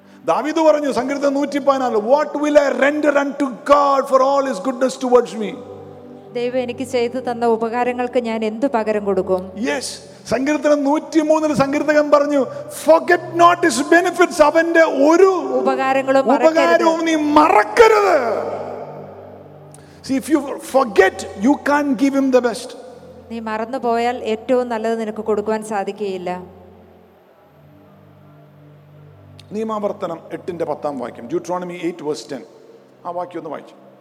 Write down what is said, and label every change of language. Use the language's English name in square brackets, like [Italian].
[Malayalam] ദാവീദ് പറഞ്ഞു സംഗീതം 114, [English] what will I render unto God for all his goodness towards me, [Malayalam] ദൈവം എനിക്ക് ചെയ്തു തന്ന ഉപകാരങ്ങൾക്ക് ഞാൻ എന്ത് പകരം കൊടുക്കും. യെസ്, സംഗീതം 103-ൽ സംഗീതകൻ പറഞ്ഞു, [English] forget not his benefits, [Malayalam] അവന്റെ ഒരു ഉപകാരങ്ങളും ഉപകാരവും നീ മറക്കരുത്. [English] See, if you forget, you can't give him the best. [Malayalam] നീ മറന്നു പോയാൽ ഏറ്റവും നല്ലത് നിനക്ക് കൊടുക്കുവാൻ സാധിക്കില്ല. നിയമാവർത്തനം 8:10 വായിക്കും. [English] Deuteronomy 8:10. [Malayalam] ആ വാക്യം ഒന്ന് വായിച്ചു.